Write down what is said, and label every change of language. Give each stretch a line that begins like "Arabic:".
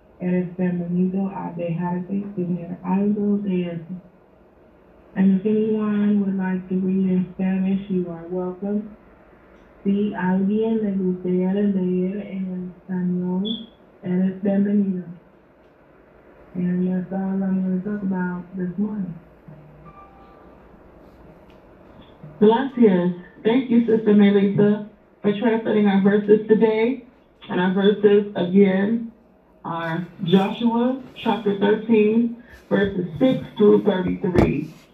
Spanish: Eres bienvenido a dejarte tener algo de eso.
English: And if anyone would like to read in Spanish, you are welcome.
Spanish: Si alguien le gustaría leer en español, eres bienvenido.
English: And that's all I'm going to talk about this morning.
Spanish: Gracias.
English: Thank you, Sister Melissa, for translating our verses today. And our verses, again, are Joshua chapter 13, verses 6 through 33.